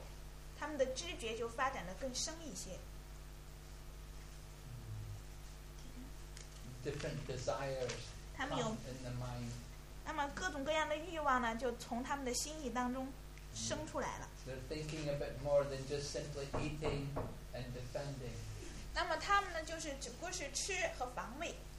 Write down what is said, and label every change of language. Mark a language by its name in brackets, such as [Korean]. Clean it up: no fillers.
[Chinese] 那么在这个阶段呢，人们就会更多的去考虑他们的情感感受，他们的知觉就发展得更深一些。 [English] Different desires come in the mind. [Chinese] 那么各种各样的欲望呢，就从他们的心意当中生出来了。 [English] They're thinking a bit more than just simply eating and defending. [Chinese] 那么他们呢，就是只不过是吃和防卫。